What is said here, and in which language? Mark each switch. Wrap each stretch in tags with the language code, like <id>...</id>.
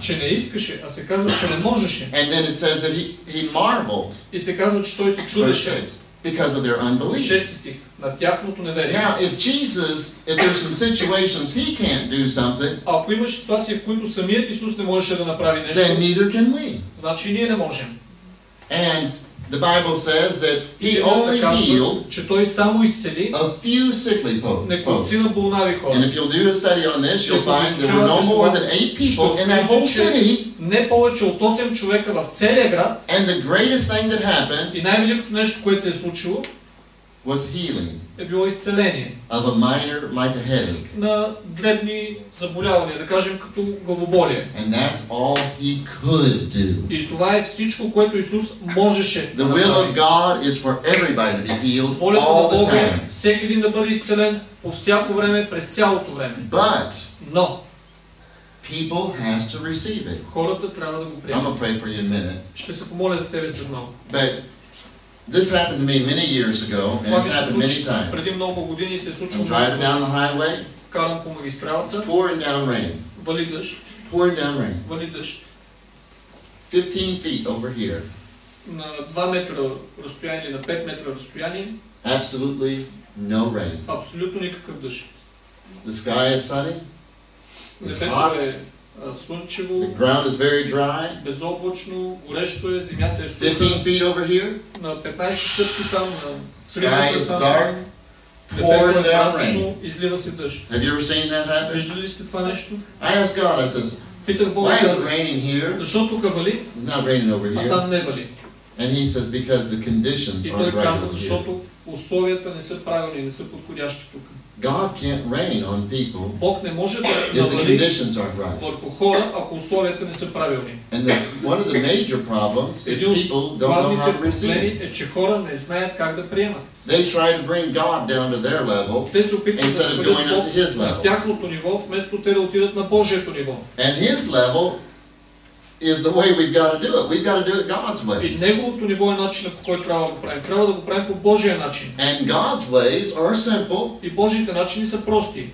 <bg>Че не искаше, а се казва, че не можеше.</bg> <en>And then it said that he marveled.</en> <bg>И се казва, че той се чудеше.</bg> <en>Because of their unbelief.</en> <bg>Шести стих, на тяхното неверие.</bg> <en>Now, if Jesus, if there's some situations he can't do something,</en> <bg>ако имаш ситуация, в които самият Исус не можеше да направи нещо,</bg> <en>then neither can we.</en> <bg>Значи ние не можем.</bg> <en>And the Bible says that he only healed,</en> <bg>че той само изцели,</bg> <en>a few sickly folks. And if you'll do a study on this, you'll find there were no more than 8 people in that whole city.</en> <bg>Не повече от 8 човека в целия град.</bg> <en>And the greatest thing that happened,</en> <bg>и най-великото нещо, което се е случило,</bg> <en>was healing.</en> <bg>Е било изцеление.</bg> <en>Of a minor, like a headache.</en> <bg>На дребни заболявания, да кажем като главоболие.</bg> <en>And that's all he could do.</en> <bg>И това е всичко, което Исус можеше.</bg> <en>The will of God is for everybody to be healed all the time.</en> <bg>Волята на Бога е всеки един да бъде изцелен по всяко време, през цялото време.</bg> <en>But,</en> <bg>но</bg> <en>people has to receive it.</en> <bg>Хората трябва да го приемат.</bg> <en>I'm gonna pray for you in a minute.</en> <bg>Ще се помоля за тебе след малко.</bg> <en>But this happened to me many years ago, and it's happened many times.</en> <bg>Преди много години се случва.</bg> <en>I'm driving down the highway.</en> <bg>Карам по магистралата.</bg> <en>Pouring down rain.</en> <bg>Вали дъжд.</bg> <en>Pouring down rain.</en> <bg>Вали дъжд.</bg> <en>15 feet over here.</en> <bg>На 2 метра разстояние, на 5 метра разстояние.</bg> <en>Absolutely no rain.</en> <bg>Абсолютно никакъв дъжд.</bg> <en>The sky is sunny. It's hot.</en> <bg>Слънчево.</bg> <en>The ground is very dry.</en> <bg>Безоблачно, горещо е, земята е суха.</bg> <en>15 feet over here.</en> <bg>На 15 стъпки там, на сливата там.</bg> <en>Pouring down rain.</en> <bg>Излива се дъжд.</bg> <en>Have you ever seen that happen?</en> <bg>Виждали ли сте това нещо?</bg> <en>I ask God, I says,</en> <bg>питах Бога,</bg> <en>why is it raining here?</en> <bg>Защо тук вали?</bg> <en>Not raining over here.</en> <bg>А там не вали.</bg> <en>And he says, because the conditions aren't right over here.</en> <bg>И той каза, защото условията не са правилни, не са подходящи тук.</bg> <en>God can't rain on people.</en> <bg>Бог не може да навали върху хора, ако условията не са правилни.</bg> <en>And the, one of the major problems is people don't know how to receive.</en> <bg>Е, че хора не знаят как да приемат.</bg> <en>They try to bring God down to their level.</en> <bg>Те се опитват да свалят Бог на тяхното ниво, вместо те да отидат на Божието ниво.</bg> <en>And his level is the way we've got to do it. We've got to do it God's way.</en> <bg>И неговото ниво е начинът, по който трябва да го правим. Трябва да го правим по Божия начин.</bg> <en>And God's ways are simple.</en> <bg>И Божиите начини са прости.</bg>